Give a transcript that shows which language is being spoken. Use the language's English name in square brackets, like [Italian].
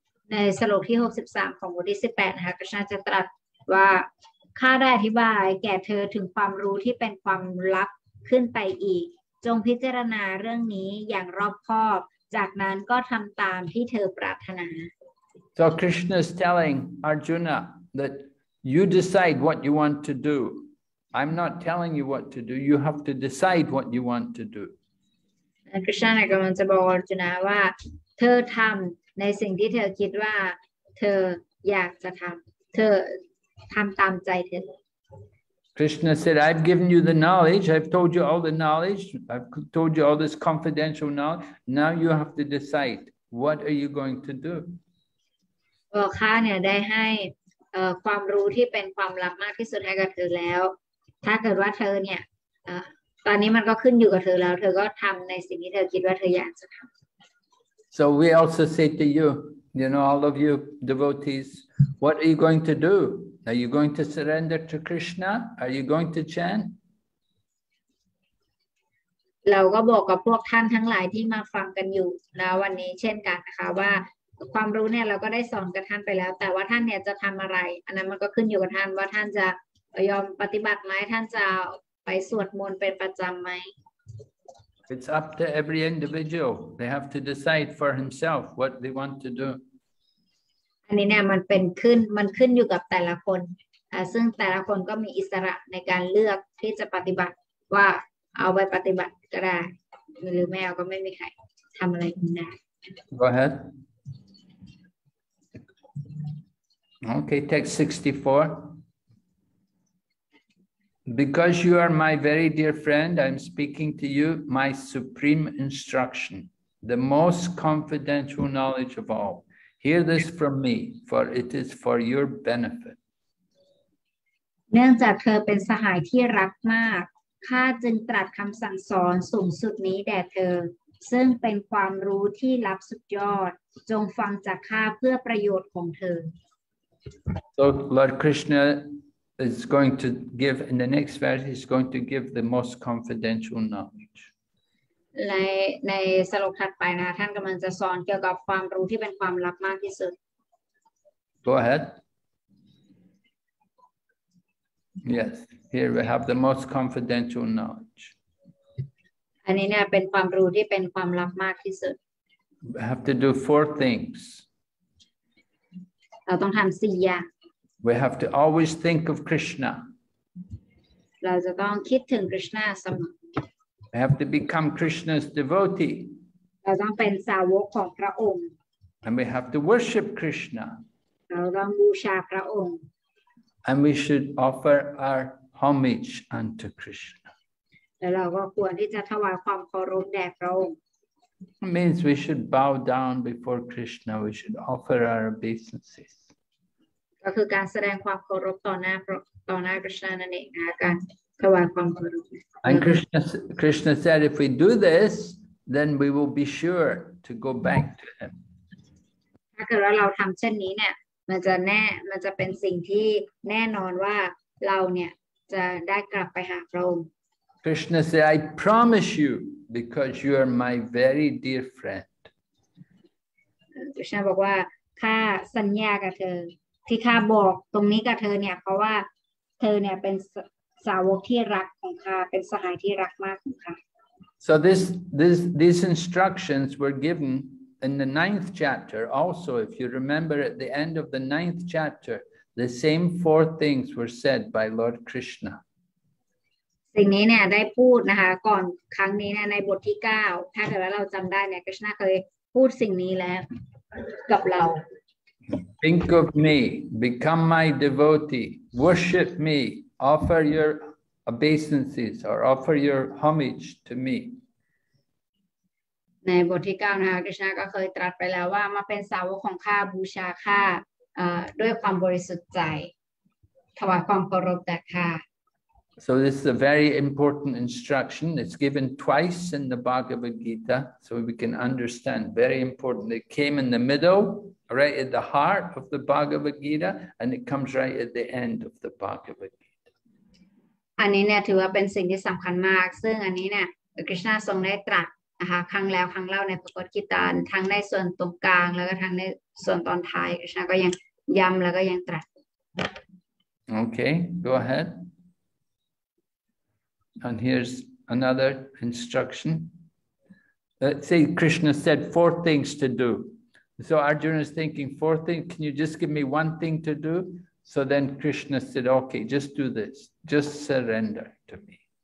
[Thai] ในสโลกที่63ของบทที่18นะคะ พระเจ้าจะตรัสว่าข้าได้อธิบายแก่เธอถึงความรู้ที่เป็นความลับขึ้นไปอีกจงพิจารณาเรื่องนี้อย่างรอบคอบจากนั้นก็ทำตามที่เธอปรารถนา [English] So Krishna is telling Arjuna that you decide what you want to do. I'm not telling you what to do. You have to decide what you want to do. [Thai] Krishna กำลังจะบอกอาร์จุนาว่าเธอทำในสิ่งที่เธอคิดว่าเธออยากจะทำเธอทำตามใจเธอ [English] Krishna said, I've given you the knowledge, I've told you all the knowledge, I've told you all this confidential knowledge. Now you have to decide, what are you going to do? [Thai] ข้าเนี่ยได้ให้ความรู้ที่เป็นความลับมากที่สุดให้กับเธอแล้วถ้าเกิดว่าเธอเนี่ยตอนนี้มันก็ขึ้นอยู่กับเธอแล้วเธอก็ทำในสิ่งที่เธอคิดว่าเธออยากจะทำ [English] So we also say to you, you know, all of you devotees, what are you going to do? Are you going to surrender to Krishna? Are you going to chant? [Thai] เราก็บอกกับพวกท่านทั้งหลายที่มาฟังกันอยู่นะวันนี้เช่นกันนะคะว่าความรู้เนี่ยเราก็ได้สอนกับท่านไปแล้วแต่ว่าท่านเนี่ยจะทำอะไรอันนั้นมันก็ขึ้นอยู่กับท่านว่าท่านจะยอมปฏิบัติไหมท่านจะไปสวดมนต์เป็นประจำไหม [English] It's up to every individual. They have to decide for himself what they want to do. [Thai] อันนี้เนี่ยมันขึ้นอยู่กับแต่ละคนซึ่งแต่ละคนก็มีอิสระในการเลือกที่จะปฏิบัติว่าเอาไปปฏิบัติก็ได้หรือไม่เอาก็ไม่มีใครทำอะไรได้ [English] Go ahead Okay text 64 Because you are my very dear friend I'm speaking to you my supreme instruction the most confidential knowledge of allHear this from me, for it is for your benefit. [Thai] เนื่องจากเธอเป็นสหายที่รักมากข้าจึงตรัสคำสั่งสอนสูงสุดนี้แด่เธอซึ่งเป็นความรู้ที่ลับสุดยอดจงฟังจากข้าเพื่อประโยชน์ของเธอ [English] So Lord Krishna is going to give, in the next verse, he's going to give the most confidential knowledge. [Thai] ในสโลกถัดไปนะท่านกำลังจะสอนเกี่ยวกับความรู้ที่เป็นความลับมากที่สุด [English] Go ahead. Yes, here we have the most confidential knowledge. [Thai] อันนี้เนี่ยเป็นความรู้ที่เป็นความลับมากที่สุด [English] We have to do four things. [Thai] เราต้องทำสี่อย่าง [English] We have to always think of Krishna. [Thai] เราจะต้องคิดถึงคริชนาเสมอ [English] We have to become Krishna's devotee. [Thai] เราต้องเป็นสาวกของพระองค์ [English] And we have to worship Krishna. [Thai] เราต้องบูชาพระองค์ [English] And we should offer our homage unto Krishna. [Thai] แล้วเราก็ควรที่จะถวายความเคารพแด่พระองค์ [English] It means we should bow down before Krishna. We should offer our obeisances. [Thai] ก็คือการแสดงความเคารพต่อหน้าคริชนานั่นเองนะการถวายความเคารพ [English] And Krishna said if we do this then we will be sure to go back to him. [Thai] ถ้าเกิดว่าเราทำเช่นนี้เนี่ยมันจะแน่มันจะเป็นสิ่งที่แน่นอนว่าเราเนี่ยจะได้กลับไปหาพระองค์ [English] Krishna said I promise you because you are my very dear friend [Thai] Krishna บอกว่าข้าสัญญากับเธอที่ข้าบอกตรงนี้กับเธอเนี่ยเพราะว่าเธอเนี่ยเป็นสาวกที่รักของข้าเป็นสหายที่รักมากของข้า [English] So these instructions were givenIn the ninth chapter, also, if you remember, at the end of the ninth chapter, the same four things were said by Lord Krishna. [Thai] สิ่งนี้เนี่ยได้พูดนะคะก่อนครั้งนี้เนี่ยในบทที่เก้าถ้าเกิดว่าเราจำได้เนี่ย Krishna เคยพูดสิ่งนี้แล้วกับเรา [English] Think of me, become my devotee, worship me, offer your obeisances or offer your homage to me. [Thai] ในบทที่9นะคะคริชนาก็เคยตรัสไปแล้วว่ามาเป็นสาวกของข้าบูชาข้าด้วยความบริสุทธิ์ใจถวายความเคารพแด่ข้า [English] So this is a very important instruction. It's given twice in the Bhagavad Gita, so we can understand. Very important. It came in the middle, right at the heart of the Bhagavad Gita, and it comes right at the end of the Bhagavad Gita. [Thai] อันนี้เนี่ยถือว่าเป็นสิ่งที่สำคัญมากซึ่งอันนี้เนี่ยคริชนาทรงได้ตรัสนะคะครั้งแล้วครั้งเล่าในพระกฏกิตาทั้งในส่วนตรงกลางแล้วก็ทั้งในส่วนตอนท้ายฉันก็ยังย้ำแล้วก็ยังตรัส [English] โอเค go ahead and here's another instruction let's say Krishna said four things to do so Arjuna is thinking four things can you just give me one thing to do so then Krishna said okay just do this just surrender to me